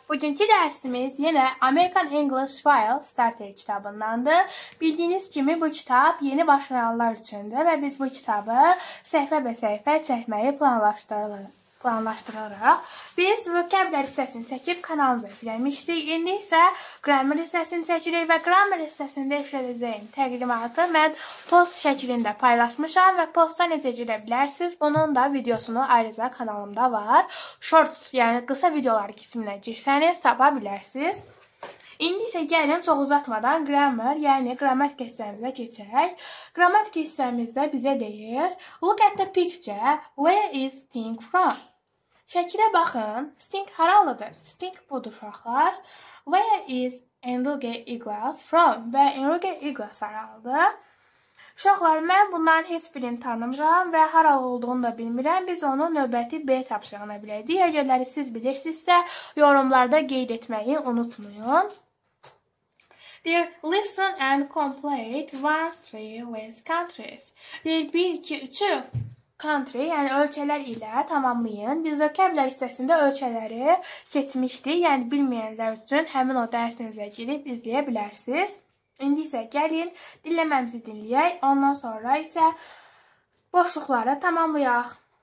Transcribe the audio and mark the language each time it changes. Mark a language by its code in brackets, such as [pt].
[az] Bugünkü dərsimiz yenə American English File Starter kitabındandı. Bildiyiniz kimi bu kitab yeni başlayanlar üçündür və biz bu kitabı səhifə-bə-səhifə çəkməyi planlaşdırırıq. Biz vokabulary hissəsini çəkib kanalımıza yükləmişdik. İndi isə grammar hissəsini çəkirik və grammar hissəsində işləyəcəyim təqdimatı mən post şəklində paylaşmışam və postdan necə girə bilərsiniz? Bunun da videosunu ayrıca kanalımda var. Shorts, yəni qısa videolar qisminə girsəniz, tapa bilərsiniz. İndi isə gəlin çox uzatmadan grammar, yəni qrammatik hissəmizə keçək. Qrammatik hissəmizdə bizə deyir: [en] "Look at the picture. Where is Sting from?" [az] Şəkilə baxın. Sting haralıdır? Sting budur uşaqlar. [en] "Where is Enrique Iglesias from?" [az] Və Enrique Iglesias haralıdır? Uşaqlar, mən bunların heç birini tanımıram və haralı olduğunu da bilmirəm. Biz onu növbəti B tapşırığına biləcəyik. Əgərləri siz bilirsinizsə, yorumlarda qeyd etməyi unutmayın. [en] Deyir, listen and complete one, three with countries. [az] Deyir, 1, 2, 3 country, yəni ölkələr ilə tamamlayın. Biz vocabulary hissəsində ölkələri keçmişdik. Yəni, bilməyənlər üçün həmin o dərsinizə girib izləyə bilərsiniz. İndi isə gəlin, dinləməmizi dinləyək. Ondan sonra isə boşluqları tamamlayaq.